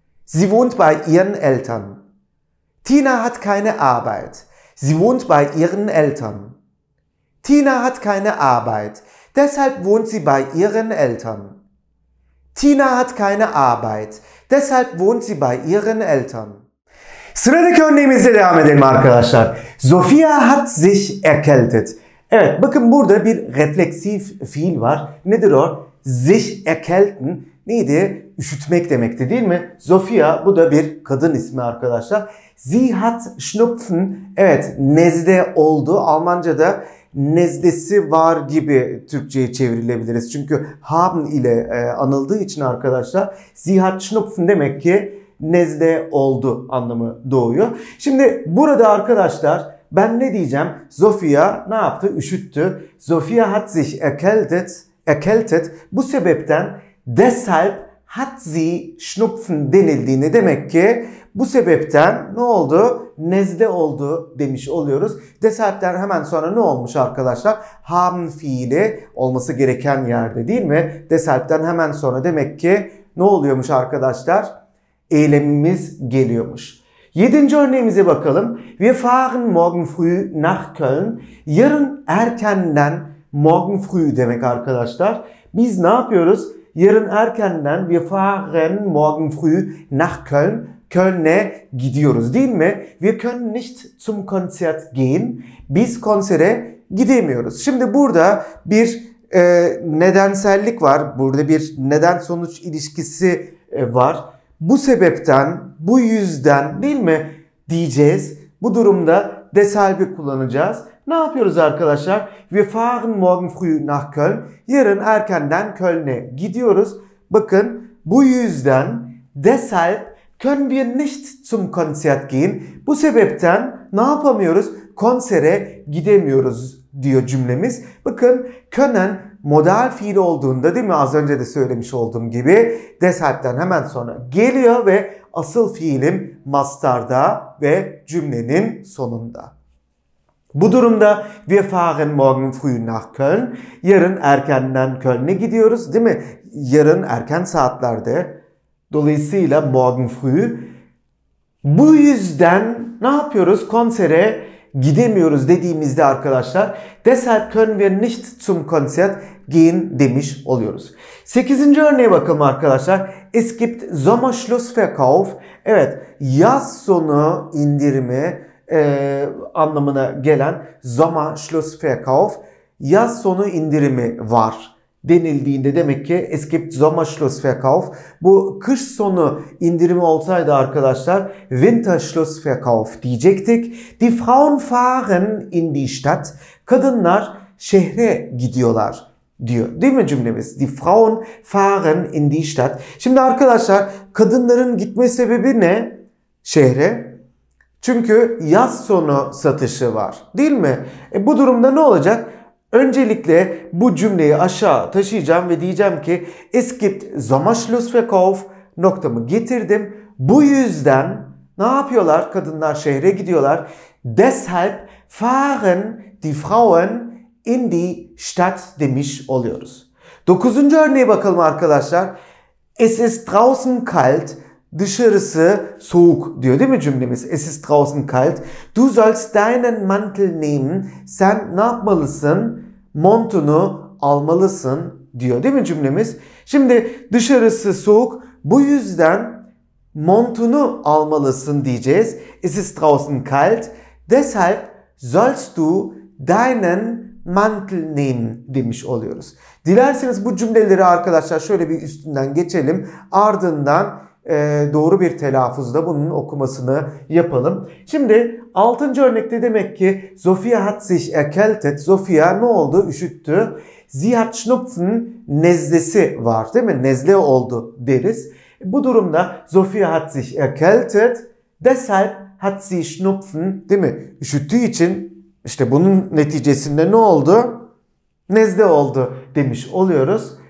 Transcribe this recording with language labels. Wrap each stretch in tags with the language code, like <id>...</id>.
<de>Sie wohnt bei ihren Eltern. Tina hat keine Arbeit. Sie wohnt bei ihren Eltern. Tina hat keine Arbeit. Deshalb wohnt sie bei ihren Eltern. Tina hat keine Arbeit. Deshalb wohnt sie bei ihren Eltern.</de> <tr>Sıradaki örneğimizle devam edelim arkadaşlar.</tr> <de>Sophia hat sich erkältet.</de> <tr>Evet, bakın burada bir refleksif fiil var. Nedir o? Sich erkälten. Neydi? Üşütmek demekti değil mi? Sophia, bu da bir kadın ismi arkadaşlar.</tr> <de>Sie hat schnupfen.</de> <tr>Evet, nezle oldu. Almanca'da nezlesi var gibi Türkçe'ye çevrilebiliriz. Çünkü haben ile anıldığı için arkadaşlar.</tr> <de>Sie hat schnupfen</de> <tr>demek ki nezle oldu anlamı doğuyor. Şimdi burada arkadaşlar ben ne diyeceğim? Sophia ne yaptı? Üşüttü.</tr> <de>Sophia hat sich erkältet.</de> <tr>Erkältet. Bu sebepten</tr> <de>deshalb hat sie schnupfen</de> <tr>denildiğini, demek ki bu sebepten ne oldu? Nezle oldu demiş oluyoruz. Deshalb'den hemen sonra ne olmuş arkadaşlar? Haben fiili olması gereken yerde değil mi? Deshalb'den hemen sonra demek ki ne oluyormuş arkadaşlar? Eylemimiz geliyormuş. Yedinci örneğimize bakalım.</tr> <de>Wir fahren morgen früh nach Köln.</de> <tr>Yarın erkenden,</tr> <de>morgen früh</de> <tr>demek arkadaşlar. Biz ne yapıyoruz? Yarın erkenden</tr> <de>wir fahren morgen früh nach Köln.</de> <tr>Köln'e gidiyoruz değil mi?</tr> <de>Wir können nicht zum Konzert gehen.</de> <tr>Biz konsere gidemiyoruz. Şimdi burada bir nedensellik var. Burada bir neden sonuç ilişkisi var. Bu sebepten, bu yüzden değil mi diyeceğiz. Bu durumda deshalb'i kullanacağız. Ne yapıyoruz arkadaşlar?</tr> <de>Wir fahren morgen früh nach Köln.</de> <tr>Yarın erkenden Köln'e gidiyoruz. Bakın bu yüzden deshalb</tr> <de>Können wir nicht zum Konzert gehen?</de> <tr>Bu sebepten ne yapamıyoruz? Konsere gidemiyoruz diyor cümlemiz. Bakın können modal fiil olduğunda değil mi? Az önce de söylemiş olduğum gibi deshalb'den hemen sonra geliyor ve asıl fiilim mastarda ve cümlenin sonunda. Bu durumda</tr> <de>wir fahren morgen früh nach Köln.</de> <tr>Yarın erkenden Köln'e gidiyoruz değil mi? Yarın erken saatlerde. Dolayısıyla morgen früh. Bu yüzden ne yapıyoruz? Konsere gidemiyoruz dediğimizde arkadaşlar.</tr> <de>Deshalb können wir nicht zum Konzert gehen</de> <tr>demiş oluyoruz. Sekizinci örneğe bakalım arkadaşlar.</tr> <de>Es gibt Sommerschlussverkauf.</de> <tr>Evet, yaz sonu indirimi anlamına gelen Sommerschlussverkauf. Yaz sonu indirimi var denildiğinde demek ki es gibt Sommerschlussverkauf. Bu kış sonu indirimi olsaydı arkadaşlar Winterschlussverkauf diyecektik.</tr> <de>Die Frauen fahren in die Stadt.</de> <tr>Kadınlar şehre gidiyorlar diyor. Değil mi cümlemiz?</tr> <de>Die Frauen fahren in die Stadt.</de> <tr>Şimdi arkadaşlar kadınların gitme sebebi ne? Şehre. Çünkü yaz sonu satışı var. Değil mi? Bu durumda ne olacak? Öncelikle bu cümleyi aşağı taşıyacağım ve diyeceğim ki</tr> <de>es gibt Sommerschlussverkauf</de> <tr>noktamı getirdim. Bu yüzden ne yapıyorlar? Kadınlar şehre gidiyorlar.</tr> <de>Deshalb fahren die Frauen in die Stadt</de> <tr>demiş oluyoruz. Dokuzuncu örneğe bakalım arkadaşlar.</tr> <de>Es ist draußen kalt.</de> <tr>Dışarısı soğuk diyor değil mi cümlemiz?</tr> <de>Es ist draußen kalt. Du sollst deinen Mantel nehmen.</de> <tr>Sen ne yapmalısın? Montunu almalısın diyor değil mi cümlemiz? Şimdi dışarısı soğuk. Bu yüzden montunu almalısın diyeceğiz. Es ist draußen kalt. Deshalb sollst du deinen Mantel nehmen demiş oluyoruz. Dilerseniz bu cümleleri arkadaşlar şöyle bir üstünden geçelim. Ardından doğru bir telaffuzda bunun okumasını yapalım. Şimdi 6. örnekte demek ki</tr> <de>Sophia hat sich erkältet.</de> <tr>Sophia ne oldu? Üşüttü.</tr> <de>Sie hat Schnupfen,</de> <tr>nezlesi var değil mi? Nezle oldu deriz. Bu durumda</tr> <de>Sophia hat sich erkältet. Deshalb hat sie Schnupfen,</de> <tr>değil mi? Üşüttüğü için işte bunun neticesinde ne oldu? Nezle oldu demiş oluyoruz.</tr>